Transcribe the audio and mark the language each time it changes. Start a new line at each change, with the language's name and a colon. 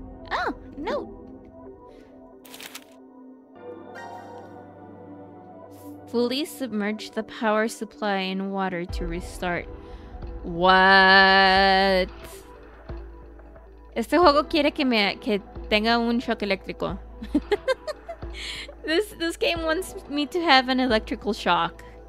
English: Oh, no! Fully submerge the power supply in water to restart. What?
Spanish: Este juego quiere que tenga un shock eléctrico.
English: This game wants me to have an electrical shock.